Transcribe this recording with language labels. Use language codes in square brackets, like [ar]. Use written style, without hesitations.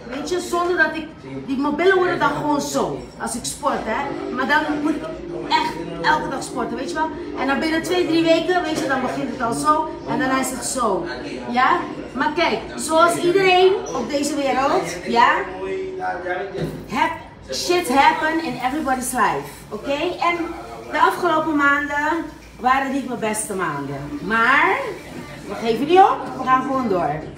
[nl] Weet je, zonder dat ik... Die mobielen worden dan gewoon zo. Als ik sport, hè. Maar dan moet ik echt elke dag sporten, weet je wel. En dan binnen 2-3 weken, weet je, dan begint het al zo. En dan is het zo. Ja? Maar kijk, zoals iedereen op deze wereld, ja. [en] Shit happen in everybody's life. [nl] Oké? En de afgelopen maanden waren niet mijn beste maanden. Maar, we geven niet op. We gaan gewoon door.